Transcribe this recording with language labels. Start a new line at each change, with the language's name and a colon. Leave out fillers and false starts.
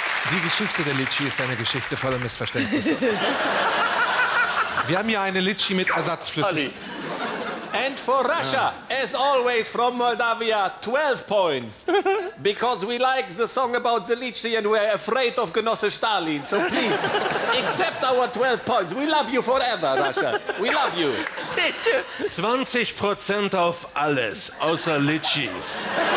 German: Die Geschichte der Litschi ist eine Geschichte voller Missverständnisse. Wir haben hier eine Litschi mit Ersatzflüssig.
English: And for Russia, as always from Moldavia, 12 points. Because we like the song about the Litschi and we're afraid of Genosse Stalin. So please, accept our 12 points. We love you forever, Russia. We love you.
German: 20% auf alles, außer Litschis.